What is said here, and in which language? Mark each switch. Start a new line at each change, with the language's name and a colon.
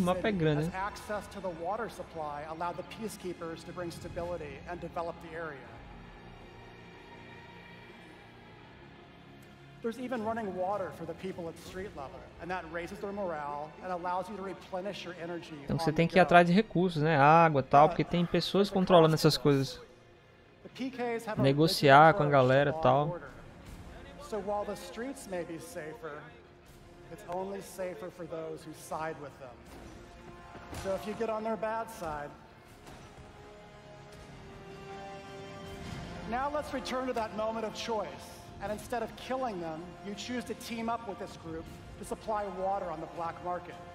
Portuguese: o mapa é grande,
English: as access to the water supply allowed the Peacekeepers to bring stability and develop the area. There's even running water for the people at street level, and that raises their morale and allows you to replenish your energy.
Portuguese: Então você tem que ir atrás de recursos, né? Água, tal, porque tem pessoas controlando essas coisas. Negociar com a galera e tal.
English: So while the streets may be safer, it's only safer for those who side with them. So if you get on their bad side. Now let's return to that moment of choice. And instead of killing them, you choose to team up with this group to supply water on the black market.